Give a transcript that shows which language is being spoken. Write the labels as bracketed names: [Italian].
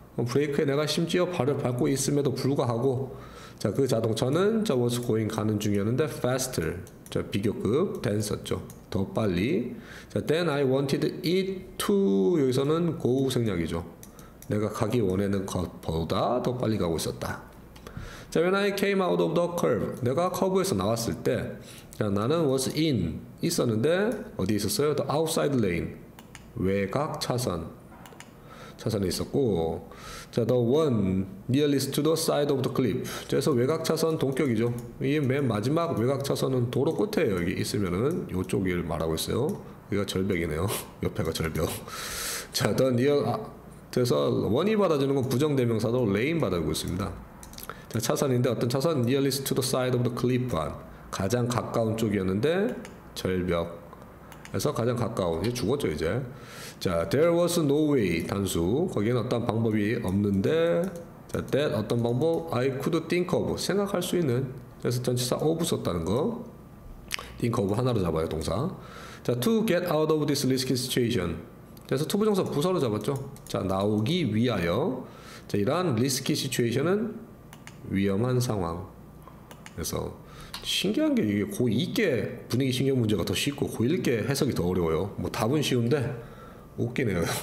[Korean] 브레이크에 내가 심지어 발을 밟고 있음에도 불구하고. 자, 그 자동차는 저 [English] was going [Korean] 가는 중이었는데 faster. 자, 비교급 than 썼죠. 더 빨리. 자, [English] then I wanted it to. [Korean] 여기서는 go 생략이죠. 내가 가기 원하는 것보다 더 빨리 가고 있었다. [English] 자, when I came out of the curve. [Korean] 내가 커브에서 나왔을 때. 자, 나는 [English] was in. [Korean] 있었는데 어디에 있었어요? [English] The outside lane. [Korean] 외곽 차선. 차선에 있었고. [English] 자, the one nearest to the side of the cliff. [Korean] 자, 그래서 외곽 차선 동격이죠. 이 맨 마지막 외곽 차선은 도로 끝에요. 여기 있으면은 요쪽을 말하고 있어요. 여기가 절벽이네요. 옆에가 절벽. 자, [English] the near. [Korean] 그래서 one이 받아주는 건 부정대명사도 lane 받아주고 있습니다. 자, 차선인데 어떤 차선? [English] Nearest to the side of the cliff. [Korean] 가장 가까운 쪽이었는데 절벽에서 가장 가까운. 이제 죽었죠 이제. [English] 자, there was no way 단수. [Korean] 거기는 어떤 방법이 없는데. 자, that 어떤 방법? [English] I could think of. [Korean] 생각할 수 있는. 그래서 전치사 of 썼다는 거. [English] think of [Korean] 하나로 잡아요 동사. [English] 자, to get out of this risky situation. [Korean] 그래서 to 부정사 부사로 잡았죠. 자, 나오기 위하여. 자, 이러한 [English] risky situation [Korean] 은 위험한 상황. 그래서 신기한 게 이게 고2께 분위기 신경 문제가 더 쉽고 고1께 해석이 더 어려워요. 뭐 답은 쉬운데 웃기네요.